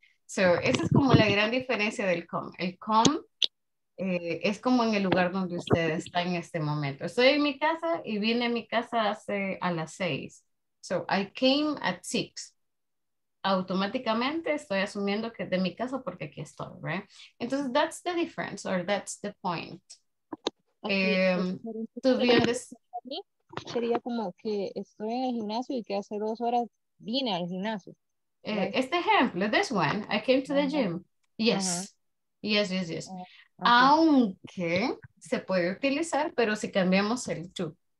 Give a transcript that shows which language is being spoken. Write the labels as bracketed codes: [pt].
[es] So, esa es como la gran diferencia del come. El come es como en el lugar donde usted está en este momento. Estoy en mi casa y vine a mi casa hace a las 6. [en] So, I came at 6. [es] Automáticamente estoy asumiendo que de mi casa porque aquí estoy, right? [en] Entonces, that's the difference or that's the point. [es] ¿Tú vienes? Sería como que estoy en el gimnasio y que hace dos horas vine al gimnasio. Este ejemplo, [en] this one, I came to the gym. Yes. Yes. [es] Aunque se puede utilizar, pero si cambiamos el to.